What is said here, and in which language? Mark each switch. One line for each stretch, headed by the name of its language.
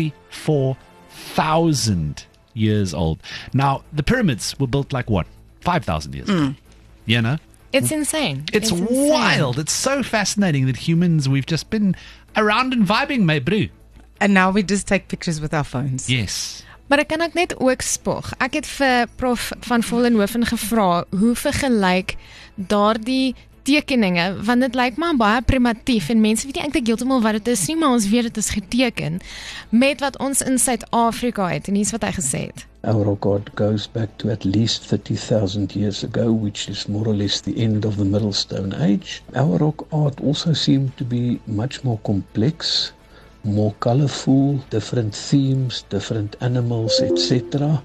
English: 64,000 years old. Now, the pyramids were built like what? 5,000 years ago. You know? It's insane. It's wild. Insane. It's so fascinating that humans, we've just been around and vibing, my bro. And now we just take pictures with our phones. Yes.
Afrikaans: Maar ek kan ek net ook spog. Ek het vir Prof van Vollenhoven gevra hoe vergelyk daardie tekeninge, want dit lyk maar baie primitief en mense weet nie eintlik heeltemal wat dit is nie, maar ons weet dit is geteken met wat ons in Suid-Afrika het en hier is wat hy gesê het.
English: Our record goes back to at least 30,000 years ago, which is more or less the end of the Middle Stone Age. Our rock art also seemed to be much more complex, more colourful, different themes, different animals, etc.